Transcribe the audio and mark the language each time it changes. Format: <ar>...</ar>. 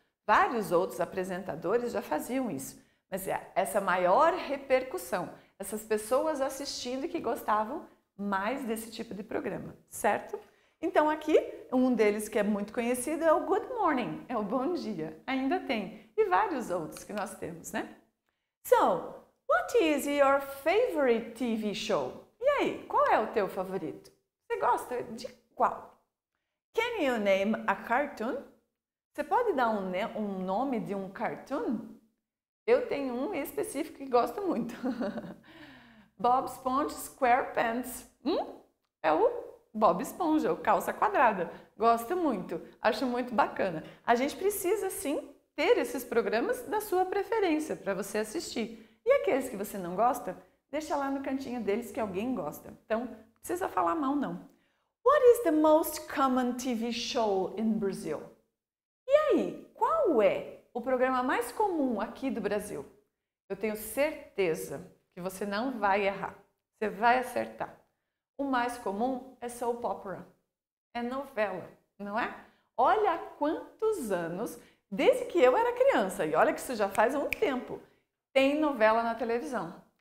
<pt>Vários outros apresentadores já faziam isso, mas essa maior repercussão, essas pessoas assistindo que gostavam mais desse tipo de programa, certo? Então aqui, um deles que é muito conhecido é o Good Morning, é o Bom Dia, ainda tem, e vários outros que nós temos, né?</pt> <en>So, what is your favorite TV show?</en> <pt>E aí, qual é o teu favorito? Você gosta de qual?</pt> <en>Can you name a cartoon?</en> <pt>Você pode dar um nome de um cartoon? Eu tenho um específico que gosto muito. Bob Esponja SquarePants. É o Bob Esponja, o calça quadrada. Gosto muito, acho muito bacana. A gente precisa sim ter esses programas da sua preferência para você assistir. E aqueles que você não gosta, deixa lá no cantinho deles que alguém gosta. Então, não precisa falar mal não.</pt> <en>What is the most common TV show in Brazil?</en> <pt>E aí, qual é o programa mais comum aqui do Brasil? Eu tenho certeza que você não vai errar. Você vai acertar. O mais comum é soap opera. É novela, não é? Olha quantos anos, desde que eu era criança, e olha que isso já faz um tempo, tem novela na televisão.</pt>